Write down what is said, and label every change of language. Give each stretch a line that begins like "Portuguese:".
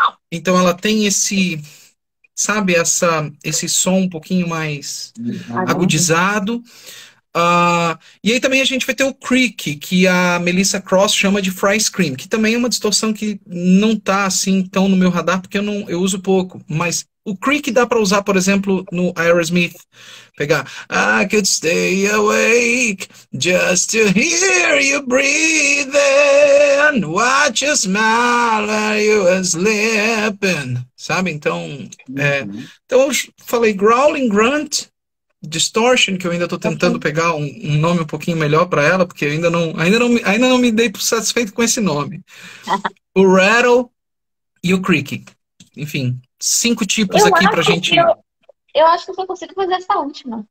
Portuguese: Então ela tem esse, sabe, esse som um pouquinho mais agudizado. E aí também a gente vai ter o creak, que a Melissa Cross chama de fry scream, que também é uma distorção que não tá assim tão no meu radar, porque eu uso pouco. Mas o creak dá para usar, por exemplo, no Aerosmith. Pegar
English: I could stay awake just to hear you breathing, watch you smile while you are sleeping.
Portuguese: Sabe? Então, eu falei growling, grunt, Distortion, que eu ainda estou tentando pegar um nome um pouquinho melhor para ela, porque ainda não me dei por satisfeito com esse nome. O rattle e o creaking. Enfim, cinco tipos Eu aqui para a acho que gente. eu consigo fazer essa última.